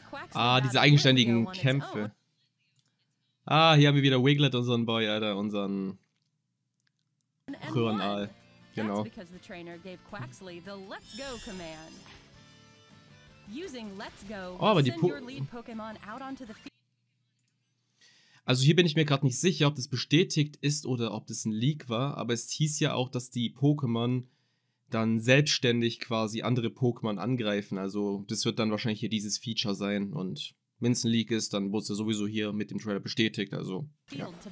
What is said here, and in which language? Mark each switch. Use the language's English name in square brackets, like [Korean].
[German] Ah, diese eigenständigen Kämpfe. Ah, hier haben wir wieder Wiglet, unseren Boy, Alter, unseren Röhrenal. Genau. [English] Because the trainer gave Quaxly the let's go command. Using let's go, send your lead Pokémon out onto the field. [German] Also hier bin ich mir gerade nicht sicher, ob das bestätigt ist oder ob das ein Leak war, aber es hieß ja auch, dass die Pokémon dann selbstständig quasi andere Pokémon angreifen. Also das wird dann wahrscheinlich hier dieses Feature sein und... Wenn es ein Leak ist, dann wurde es sowieso hier mit dem Trailer bestätigt, also, ja.